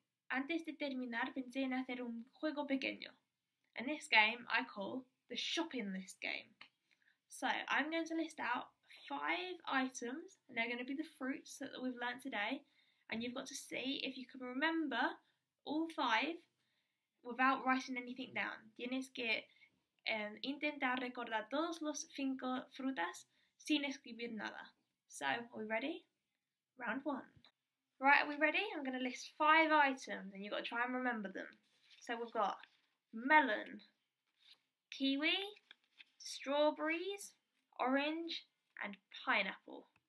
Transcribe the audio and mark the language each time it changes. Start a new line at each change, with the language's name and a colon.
Spanish: Antes de terminar, pensé en hacer un juego pequeño.
English: And this game I call the shopping list game. So, I'm going to list out 5 items, and they're going to be the fruits that we've learnt today, and you've got to see if you can remember all 5 without writing anything down.
Spanish: Tienes que intentar recordar todos los 5 frutas sin escribir nada.
English: So, are we ready? Round 1. Right, are we ready? I'm going to list 5 items, and you've got to try and remember them. So, we've got melon, kiwi, strawberries, orange, and pineapple.